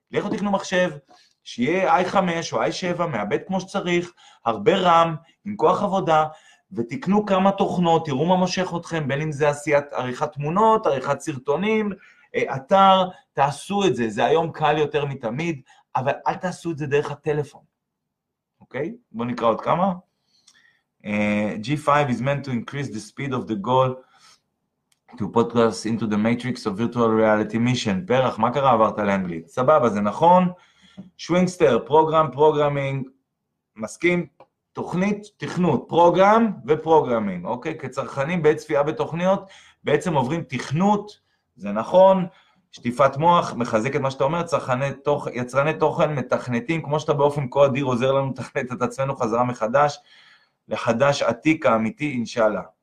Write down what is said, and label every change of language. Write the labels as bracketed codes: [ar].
[he] לכו תקנו מחשב, שיהיה i5 או i7, מעבד כמו שצריך, הרבה רם, עם כוח עבודה, ותקנו כמה תוכנות, תראו מה מושך אתכם, בין אם זה עשיית עריכת תמונות, עריכת סרטונים, אתר, תעשו את זה, זה היום קל יותר מתמיד, אבל אל תעשו את זה דרך הטלפון, אוקיי? בואו נקרא עוד כמה. [en] G5 is meant to increase the speed of the goal to podcast into the matrix of virtual reality mission. [he] פרח, מה קרה? עברת לאנגלית. סבבה, זה נכון. שווינגסטר, פרוגרמינג, מסכים? תוכנית, תכנות, פרוגרם ופרוגרמינג, אוקיי? כצרכנים בעת צפייה בתוכניות, בעצם עוברים תכנות, זה נכון, שטיפת מוח, מחזק את מה שאתה אומר, יצרני תוכן, מתכנתים, כמו שאתה באופן כה אדיר עוזר לנו לתכנת את עצמנו חזרה מחדש, לחדש עתיק האמיתי, אינשאללה.